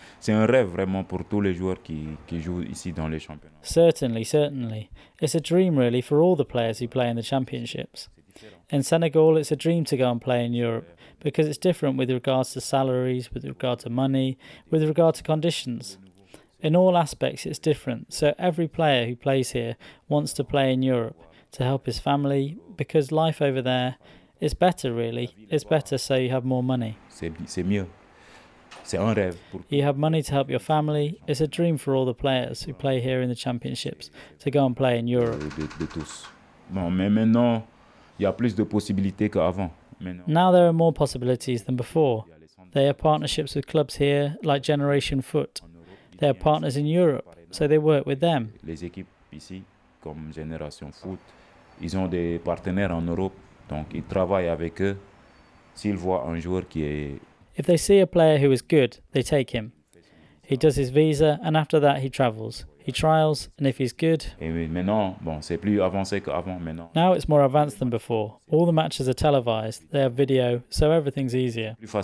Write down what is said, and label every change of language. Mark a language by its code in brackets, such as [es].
[fr] C'est un rêve vraiment pour tous les joueurs qui jouent ici dans les championnats. [en] Certainly, certainly. It's a dream really for all the players who play in the championships. In Senegal, it's a dream to go and play in Europe because it's different with regards to salaries, with regard to money, with regard to conditions. In all aspects, it's different. So every player who plays here wants to play in Europe to help his family because life over there is better, really. It's better so you have more money. [fr] C'est mieux. C'est un rêve. [en] You have money to help your family. It's a dream for all the players who play here in the championships to go and play in Europe. [fr] De tous. Bon, mais maintenant, il y a plus de possibilités qu'avant. [en] Now there are more possibilities than before. They have partnerships with clubs here, like Generation Foot. They are partners in Europe, so they work with them. [fr] Les équipes ici, comme Generation Foot, ils ont des partenaires en Europe, donc ils travaillent avec eux. S'ils voient un joueur qui est [en] If they see a player who is good, they take him. He does his visa and after that he travels. He trials and if he's good. Now it's more advanced than before. All the matches are televised, they have video, so everything's easier.